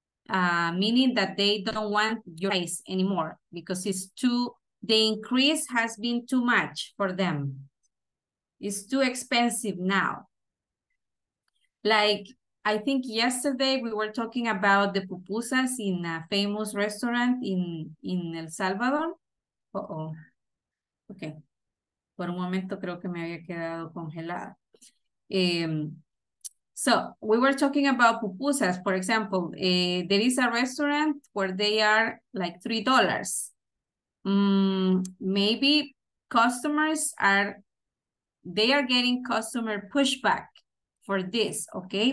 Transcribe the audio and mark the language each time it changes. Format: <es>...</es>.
<en>Meaning that they don't want your price anymore because it's too, the increase has been too much for them. It's too expensive now. Like, I think yesterday we were talking about the pupusas in a famous restaurant in El Salvador. Uh-oh. Okay.</en> <es>Por un momento creo que me había quedado congelada.</es> <en>So we were talking about pupusas. For example, there is a restaurant where they are like $3. Maybe customers are, they are getting customer pushback for this, okay?</en>